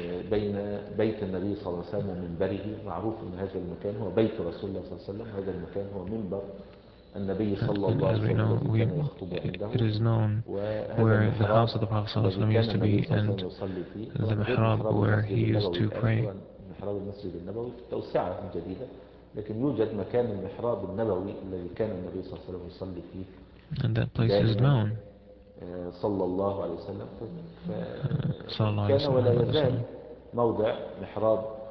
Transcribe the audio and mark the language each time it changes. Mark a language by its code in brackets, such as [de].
[ar] بين بيت النبي صلى الله عليه وسلم ومنبره معروف أن هذا المكان هو بيت رسول الله صلى الله عليه وسلم هذا المكان هو منبر النبي صلى الله عليه وسلم [en] It is known where the house of the Prophet صلى الله عليه وسلم used to be and the mihrab where he used to pray. [ar] محراب المسجد النبوي توسعة جديدة لكن يوجد مكان المحراب النبوي الذي كان النبي صلى الله عليه وسلم يصلي فيه. [en] And that place is known. [ar] صلى الله عليه وسلم صلى الله عليه وسلم كان ولا يزال موضع محراب